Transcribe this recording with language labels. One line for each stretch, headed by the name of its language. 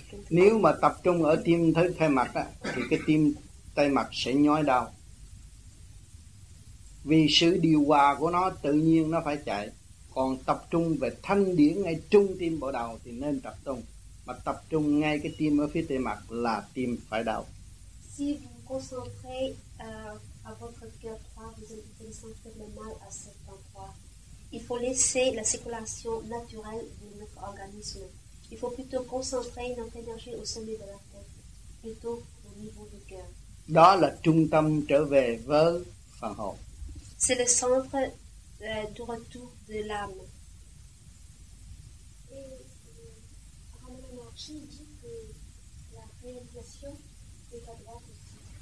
Vietnamese: Nếu mà tập trung ở tim với tay mặt á, thì cái tim tay mặt sẽ nhói đau vì sự điều hòa của nó tự nhiên nó phải chạy. Còn tập trung về thanh điển ngay trung tim bộ đầu thì nên tập trung, mà tập trung ngay cái tim ở phía tay mặt là tim phải đau.
French: Si vous concentrez à votre cœur droit, vous allez sentir le mal à cet endroit. Il faut laisser la circulation naturelle de notre organisme. Il faut plutôt concentrer notre énergie au sommet de la tête plutôt au niveau du cœur.
Vietnamese: Đó là trung tâm trở về với phần hồn.
French: C'est le centre du retour de l'âme. Et Ramana Maharshi dit que la réalisation est à droite aussi.